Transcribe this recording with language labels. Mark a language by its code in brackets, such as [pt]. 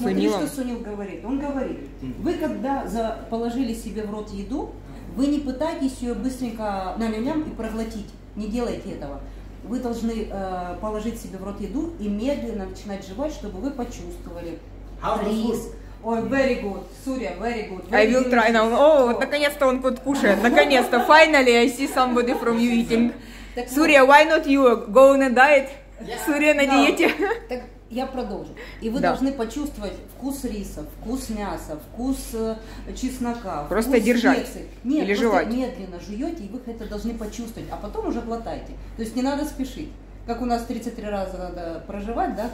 [ru] Смотри, что Сунил говорит. Он говорит, вы когда положили себе в рот еду, вы не пытайтесь ее быстренько ням-ням-ням и проглотить, не делайте этого. Вы должны положить себе в рот еду и медленно начинать жевать, чтобы вы почувствовали. [en] Ой, very good, Surya, very good. Very I will try now. [ru] Вот наконец-то он тут кушает. Наконец-то. [en] Finally, I see somebody from you eating. Surya, why not you go on a diet? [ru] Surya, на диете. Так, я продолжу. И вы должны почувствовать вкус риса, вкус мяса, вкус чеснока. Просто держать или жевать? Нет, просто медленно жуете, и вы это должны почувствовать. А потом уже глотайте. То есть не надо спешить. Как у нас 33 раза надо проживать, да?